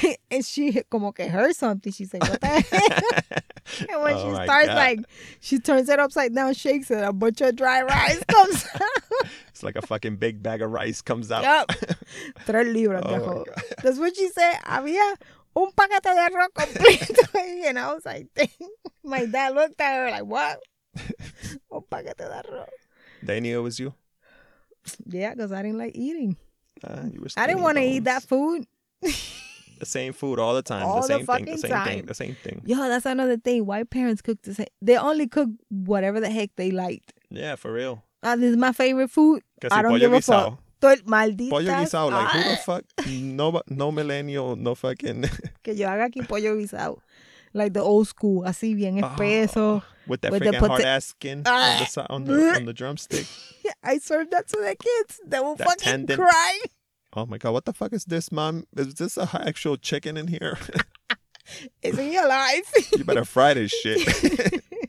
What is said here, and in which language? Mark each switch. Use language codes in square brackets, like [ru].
[en] And she [es] como que [en] heard something. She's like, what the hell? And when she turns it upside down, shakes it, a bunch of dry rice comes out. It's like a fucking big bag of rice comes out. Yep. 3 libras, oh, that's what she said. [es] Había un paquete de arroz completo. [en] And I was like, dang. My dad looked at her like, what? [es] Un paquete de arroz. [en] They knew it was you? Yeah, because I didn't like eating. I didn't want to eat that food. The same food all the time. All the same fucking thing. The same thing. Yo, that's another thing. White parents cook the same. They only cook whatever the heck they liked. Yeah, for real. This is my favorite food. I don't give a fuck. Maldita. Pollo guisado, like who the fuck? No millennial, no fucking. [es] Que yo haga aquí pollo guisado. [en] Like the old school, [es] así bien espeso. [en] With that freaking hard-ass skin on the drumstick. I served that to the kids. They will that fucking tendon. Cry. Oh my God, what the fuck is this, mom? Is this an actual chicken in here? Isn't he alive? You better fry this shit.